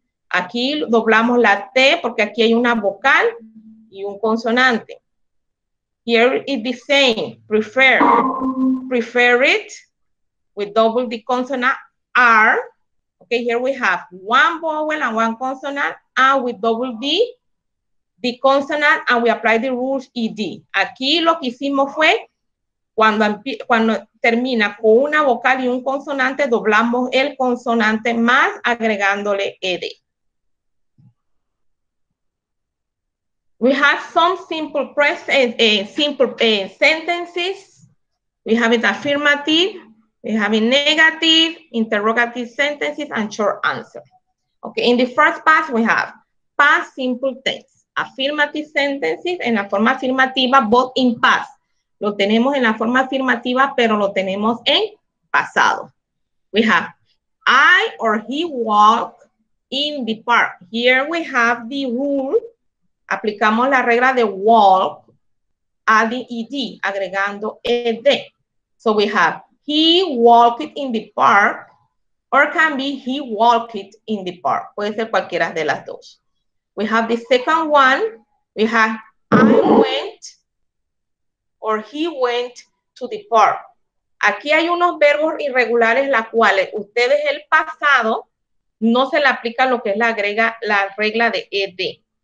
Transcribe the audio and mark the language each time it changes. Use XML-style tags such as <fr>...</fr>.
<es>Aquí doblamos la T porque aquí hay una vocal y un consonante.</es> <en>Here is the same, prefer, prefer it, with double the consonant R. Okay, here we have one vowel and one consonant, and with double D, the consonant, and we apply the rules ED.</en> <es>Aquí lo que hicimos fue, cuando termina con una vocal y un consonante, doblamos el consonante más agregándole ED.</es> <en>We have some simple sentences. We have it affirmative, we have it negative, interrogative sentences, and short answer. Okay, in the first part, we have past simple tense. Affirmative sentences</en> <es>en la forma afirmativa,</es> <en>both in past.</en> <es>Lo tenemos en la forma afirmativa, pero lo tenemos en pasado.</es> <en>We have I or he walk in the park. Here we have the rule.</en> <es>Aplicamos la regla de walk,</es> <en>adding ed,</en> <es>agregando ed.</es> <en>So we have he walked in the park, or can be he walked in the park.</en> <es>Puede ser cualquiera de las dos.</es> <en>We have the second one. We have I went or he went to the park.</en> <es>Aquí hay unos verbos irregulares las cuales ustedes el pasado no se le aplica lo que es la regla de ed.</es>